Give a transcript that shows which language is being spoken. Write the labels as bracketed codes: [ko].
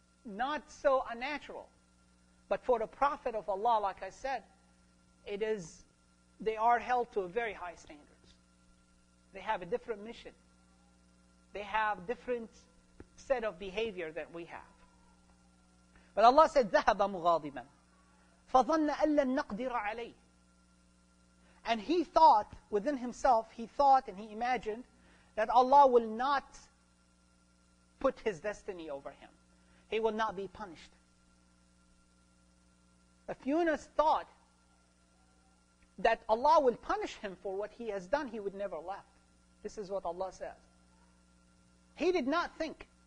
[en] not so unnatural. But for the prophet of Allah, like I said, it is, they are held to a very high standards. They have a different mission. They have different set of behavior that we have. But Allah said, [ar] ذَهَبَ مُغَاضِبًا فَظَنَّ أَلَّا نَقْدِرَ عَلَيْهِ. [en] And he thought within himself, he thought and he imagined that Allah will not put his destiny over him. He will not be punished. If Yunus thought that Allah will punish him for what he has done, he would never left. This is what Allah says. He did not think.